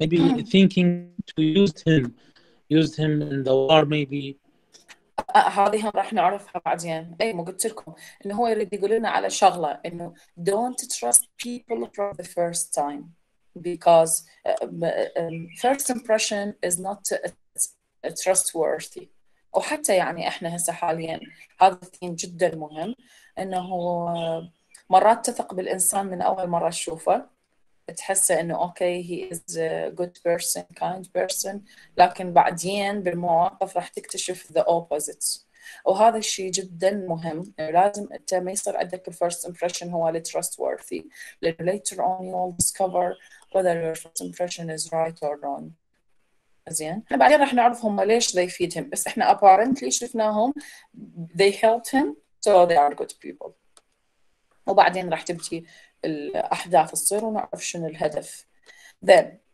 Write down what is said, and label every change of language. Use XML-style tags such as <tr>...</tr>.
<en>Maybe thinking to use him in the war, maybe.</en> <ar>هذه هم راح نعرفها بعدين. أي ما قلت لكم إنه هو يريد يقول لنا على شغلة إنه</ar> <en>don't trust people for the first time because first impression is not trustworthy.</en> <ar>وحتى يعني إحنا هسه حالياً هذا الثيم جداً مهم إنه مرات تثق بالإنسان من أول مرة تشوفه تحسه إنه</ar> <en>okay he is a good person kind person</en> <ar>لكن بعدين بالمواقف راح تكتشف</ar> <en>the opposites</en> <ar>وهذا الشيء جداً مهم لازم أنت ما يصير عندك</ar> <en>first impression</en> <ar>هو اللي</ar> <en>trustworthy later on you will discover whether your first impression is right or wrong.</en> <ar>زين بعدين راح نعرفهم ليش</ar> <en>they feed him</en> <ar>بس احنا apparently شفناهم</ar> <en>they helped him so they are good people</en> <ar>وبعدين راح تبتدي الاحداث تصير ونعرف شنو الهدف then</ar>